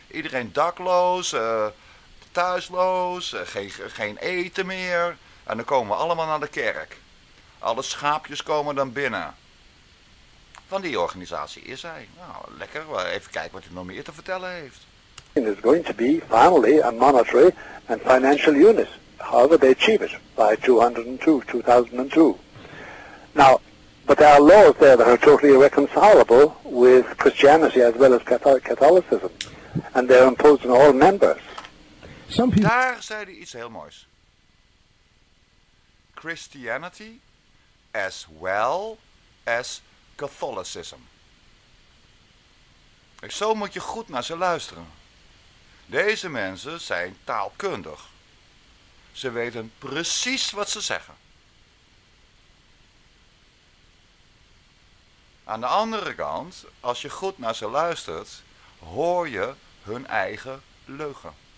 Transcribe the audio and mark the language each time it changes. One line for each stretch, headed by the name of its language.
Dutch: Iedereen dakloos, thuisloos, geen eten meer. En dan komen we allemaal naar de kerk. Alle schaapjes komen dan binnen. Van die organisatie is hij. Nou, lekker. Even kijken wat hij nog meer te vertellen heeft.
English: Is going to be finally a monetary and financial unit. However they achieve it by 2002. Now, but there are laws there that are totally irreconcilable with Christianity as well as Catholicism. And they're imposed on all members.
Dutch: Daar zei hij iets heel moois.
English: Christianity as well as Catholicism.
Dutch: Zo moet je goed naar ze luisteren. Deze mensen zijn taalkundig. Ze weten precies wat ze zeggen. Aan de andere kant, als je goed naar ze luistert, hoor je hun eigen leugen.